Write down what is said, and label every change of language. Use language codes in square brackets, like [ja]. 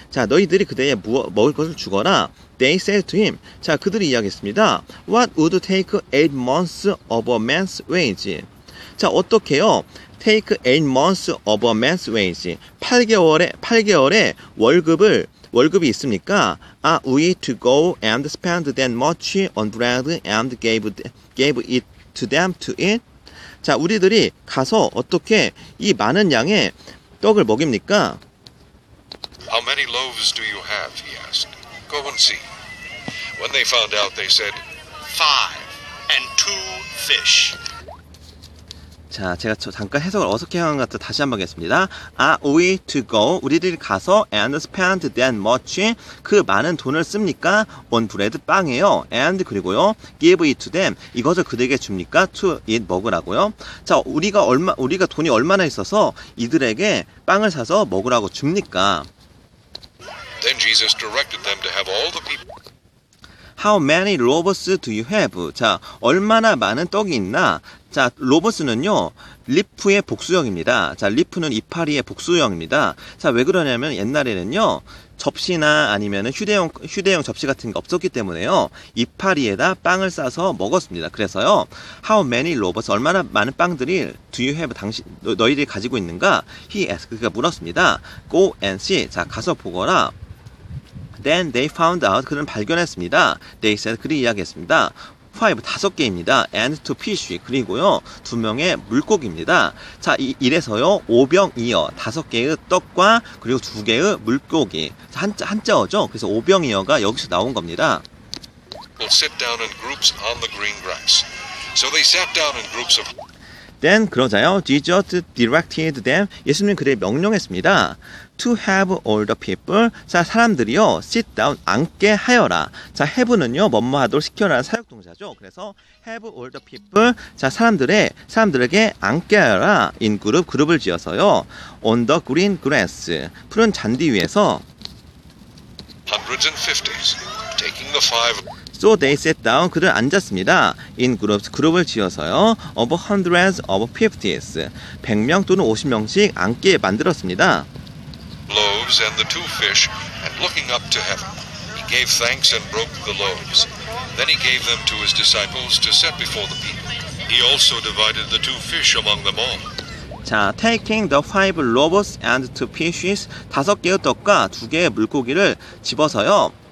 [ko] 자 너희들이 그들에게 먹을 것을 주거라. [en] They said to him. [ko] 자 그들이 이야기했습니다. [en] What would take 8 months of a man's wage? [ko] 자 어떻게요? [en] Take 8 months of a man's wage. [ko] 8개월의 월급을 월급이 있습니까? [en] Are we to go and spend that much on bread and gave it to them to eat? [ko] 자, 우리들이 가서 어떻게 이 많은 양의 떡을 먹입니까? [en] How many loaves do you have? He asked. Go and see. When they found out, they said, five and two fish. [ko] 자, 제가 잠깐 해석을 어떻게 한 것 같아 다시 한번 하겠습니다. [en] Are we to go? [ko] 우리들이 가서 [en] and spend that much? [ko] 그 많은 돈을 씁니까? [en] On bread, [ko] 빵이에요. [en] And [ko] 그리고요, [en] give it to them. [ko] 이것을 그들에게 줍니까? [en] To eat, [ko] 먹으라고요. 자, 우리가 돈이 얼마나 있어서 이들에게 빵을 사서 먹으라고 줍니까? [en] Then Jesus directed them to have all the people. How many loaves do you have? [ko] 자, 얼마나 많은 떡이 있나? 자, 로버스는요, 리프의 복수형입니다. 자, 리프는 이파리의 복수형입니다. 자, 왜 그러냐면 옛날에는요, 접시나 아니면 휴대용 접시 같은 게 없었기 때문에요, 이파리에다 빵을 싸서 먹었습니다. 그래서요, [en] How many loaves, [ko] 얼마나 많은 빵들이 [en] do you have, [ko] 너희들이 가지고 있는가? [en] He asked, [ko] 그가 물었습니다. [en] Go and see. [ko] 자, 가서 보거라. [en] Then they found out, [ko] 그는 발견했습니다. [en] They said, [ko] 그리 이야기했습니다. 5, 다섯 개입니다. [en] And 2 fish, [ko] 그리고요, 두 명의 물고기입니다. 자, 이래서요, 5병이어, 다섯 개의 떡과 그리고 두 개의 물고기. 한자어죠? 그래서 5병이어가 여기서 나온 겁니다. [en] We'll sit down in groups on the green grass. So they sat down in groups of... Then, [ko] 그러자요, [en] Jesus directed them, [ko] 예수님 그들에게 명령했습니다. [en] To have all the people, [ko] 자, 사람들이요, [en] sit down, [ko] 앉게 하여라. 자, have는요, 뭐뭐 하도록 시켜라는 사역동사죠. 그래서, [en] have all the people, [ko] 자, 사람들에게 앉게 하여라. [en] In group, [ko] 그룹을 지어서요, [en] on the green grass, [ko] 푸른 잔디 위에서, [en] hundreds and fifties, taking the five, So they sat down, [ko] 그들 앉았습니다. [en] In groups, [ko] 그룹을 지어서요. [en] Of hundreds of fifties. [ko] 100명 또는 50명씩 앉게 만들었습니다. [en] Loaves and the two fish, and looking up to heaven, he gave thanks and broke the loaves. Then he gave them to his disciples to set before the people. He also divided the two fish among them all. [ko] 자, [en] taking the five loaves and two fishes, [ko] 다섯 개의 떡과 두 개의 물고기를 집어서요.